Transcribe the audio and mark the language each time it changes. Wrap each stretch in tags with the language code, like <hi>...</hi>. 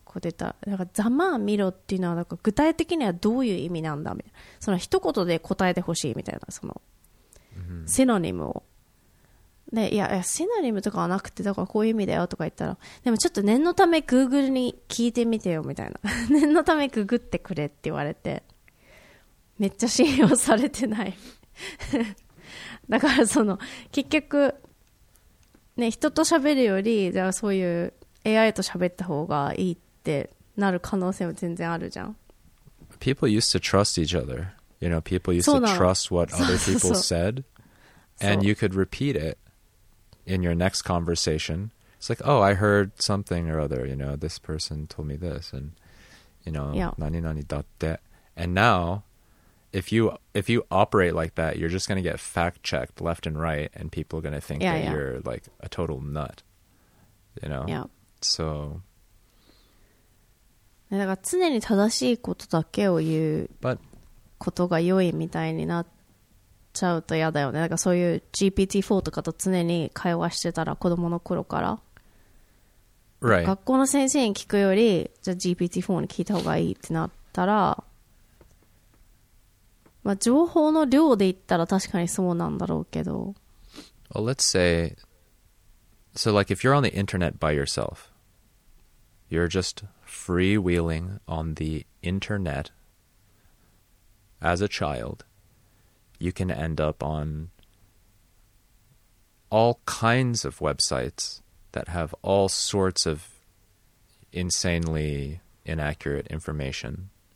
<ja>だからざまあ見ろっていうのはなんか具体的にはどういう意味なんだみたいな、その一言で答えてほしいみたいな、そのシノニムを、ね、いやシノニムとかはなくて、だからこういう意味だよとか言ったら、でもちょっと念のためグーグルに聞いてみてよみたいな念のためググってくれって言われて、めっちゃ信用されてないだからその結局、ね、人と喋るよりじゃあそういう AI と喋った方がいいってなる可能性も全然あるじゃん。</ja> <en>People used to trust each other. You know, people used to trust what other people said. And you could repeat it in your next conversation. It's like, oh, I heard something or other. You know, this person told me this. And, you know,</en> <ja>何々だって。</ja> <en>And now, if you operate like that, you're just going to get fact-checked left and right, and people are going to think that you're, like, a total nut. You know? Yeah. So...</en> <ja>だから常に正しいことだけを言うことが良いみたいになっちゃうと嫌だよね。だからそういう GPT-4 とかと常に会話してたら、子供の頃から、</ja> <en>right.</en> <ja>学校の先生に聞くよりじゃあ GPT-4 に聞いた方がいいってなったら、まあ、情報の量で言ったら確かにそうなんだろうけど、</ja> <en>well, let's say so like if you're on the internet by yourself, you're justfreewheeling on the internet as a child, you can end up on all kinds of websites that have all sorts of insanely inaccurate information.</en>